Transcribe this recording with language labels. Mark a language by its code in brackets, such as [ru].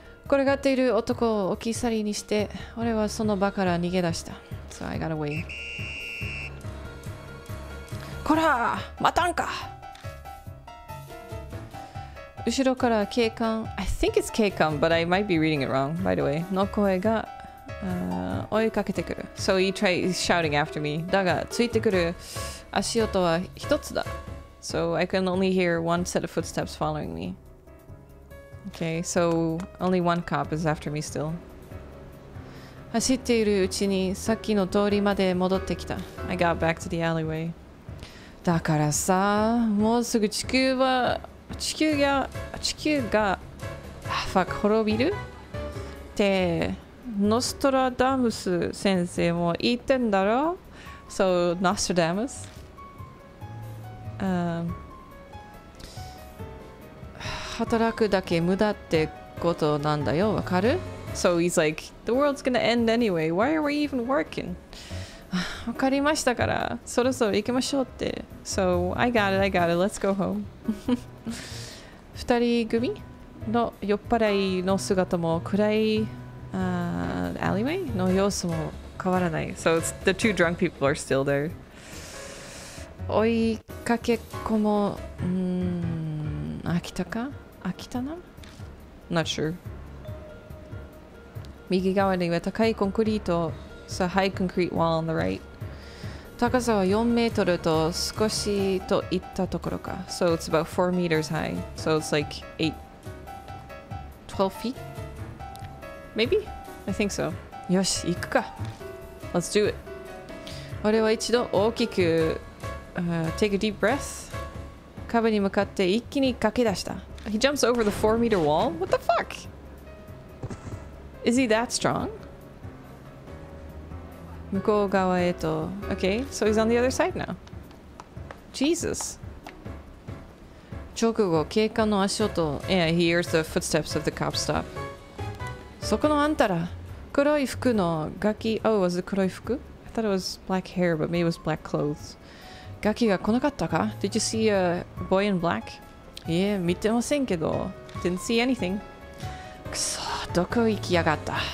[en] So I got away. [ja] こら!待たんか! 後ろから警官、 [en] I think it's 警官、but I might be reading it wrong, by the way. [ja] の声が、追いかけてくる。 [en] So he tries shouting after me. [ja] だが、ついてくる足音は一つだ。 [en] So I can only hear one set of footsteps following me. Okay, so only one cop is after me still. [ja] 走っているうちにさっきの通りまで戻ってきた。 [en] I got back to the alleyway. [ja] だからさ、もうすぐ地球は…地球が、地球が、fuck, 滅びるって、ノストラダムス先生も言ってんだろ [en] So, Nostradamus? [ja] 働くだけ無駄ってことなんだよ、わかる [en] So, he's like, the world's gonna end anyway. Why are we even working? [ja] わかりましたから、そろそろ行きましょうって。 [en] So, I got it. Let's go home. [ja] 二人組の酔っ払いの姿も暗い、 [en] alleyway [ja] の様子も変わらない。 [en] So it's the two drunk people are still there. [ja] 追いかけっこも、飽きたか？飽きたな？ [en] Not sure. [ja] 右側には高いコンクリート、 [en] so high concrete wall on the right. [ja] 高さは4メートルと少しといったところか。 [en] So it's about 4 meters high. So it's like 8... 12 feet? Maybe? I think so. [ja] よし、行くか。 [en] Let's do it. [ja] 俺は一度大きく、 [en] take a deep breath. [ja] 壁に向かって一気に駆け出した。 [en] He jumps over the 4 meter wall? What the fuck? Is he that strong? [ja] 向こう側へと [en] Okay, so he's on the other side now. Jesus. [ja] 直後、警官の足音 [en] Yeah, he hears the footsteps of the cop stop. [ja] そこのあんたら、黒い服のガキ [en] Oh, was it 黒い服?I thought it was black hair, but maybe it was black clothes. [ja] ガキが来なかったか? [en] Did you see a boy in black? [ja] いや、見てませんけど [en] Didn't see anything. [ja] くそ、どこ行きやがった?